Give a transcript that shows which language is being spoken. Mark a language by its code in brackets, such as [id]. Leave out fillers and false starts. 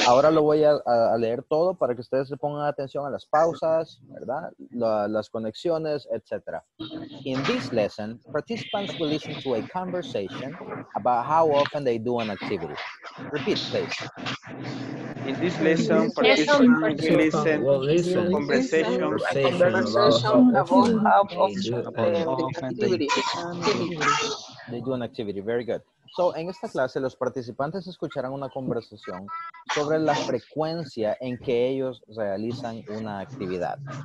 [es] Ahora lo voy a leer todo para que ustedes se pongan atención a las pausas, ¿verdad? Las conexiones, etc. [en] In this lesson, participants will listen to a conversation about how often they do an activity. Repeat, please. In this lesson, participants will listen to a conversation about how often they do an activity. Very good. [es] So, en esta clase, los participantes escucharán una conversación sobre la frecuencia en que ellos realizan una actividad.